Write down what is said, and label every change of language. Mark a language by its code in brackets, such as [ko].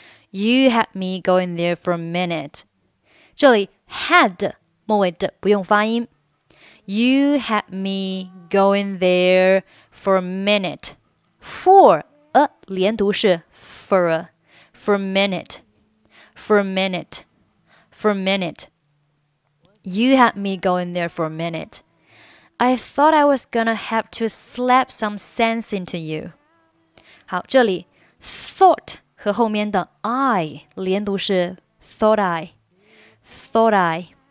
[en] You had me going there for a minute. [zh] 这里 had, 末尾的不用发音。 [en] You had me going there for a minute. For a [zh] 连读是 [en] for a. For a minute. You had me going there for a minute. I thought I was gonna have to slap some sense into you. [zh] 好，这里 thought 和后面的 I 连读是 [en] thought I.